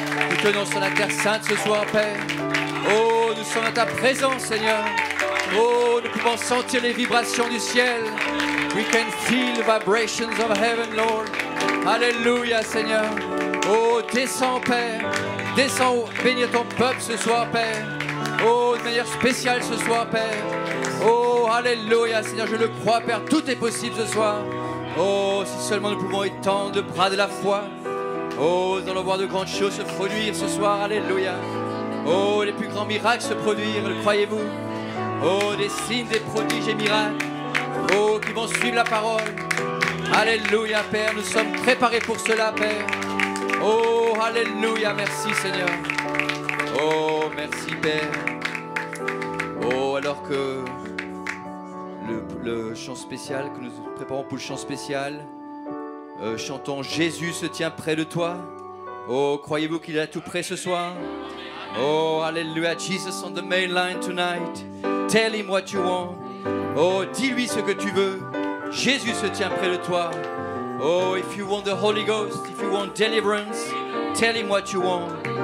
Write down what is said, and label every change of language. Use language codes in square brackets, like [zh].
[fr] Nous tenons sur la terre sainte ce soir, Père. Oh, nous sommes à ta présence, Seigneur. Oh, nous pouvons sentir les vibrations du ciel. [en] We can feel the vibrations of heaven, Lord. [fr] Alléluia, Seigneur. Oh, descends, Père. Descends, bénis ton peuple ce soir, Père. Oh, de manière spéciale ce soir, Père. Oh, alléluia, Seigneur, je le crois, Père, tout est possible ce soir. Oh, si seulement nous pouvons étendre le bras de la foi. Oh, nous allons voir de grandes choses se produire ce soir, alléluia. Oh, les plus grands miracles se produire, le croyez-vous? Oh, des signes, des prodiges et miracles. Oh, qui vont suivre la parole. Alléluia, Père, nous sommes préparés pour cela, Père. Oh, alléluia, merci, Seigneur. Oh, merci, Père. Oh, alors que le chant spécial, que nous préparons pour le chant spécial, chantons « Jésus se tient près de toi ». Oh, croyez-vous qu'il est tout près ce soir? [en] Oh, alléluia, Jesus on the main line tonight. Tell him what you want. [fr] Oh, dis-lui ce que tu veux. Jésus se tient près de toi. [en] Oh, if you want the Holy Ghost, if you want deliverance, tell him what you want.